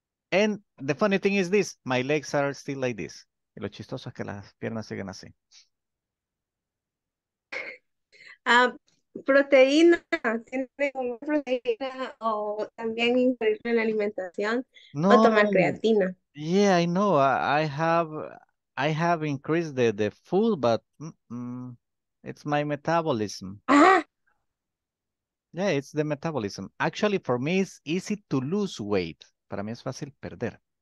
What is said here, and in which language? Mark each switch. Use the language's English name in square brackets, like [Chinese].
[English] And the funny thing is this, my legs are still like this. [Spanish] Y lo chistoso es que las piernas siguen así. Proteína, tiene una proteína o también incluirlo en la alimentación no, o tomar creatina. [English] Yeah, I know. I have increased the food, but it's my metabolism. Yeah, it's the metabolism. Actually, for me, it's easy to lose weight. [Spanish] Para mí es fácil perder.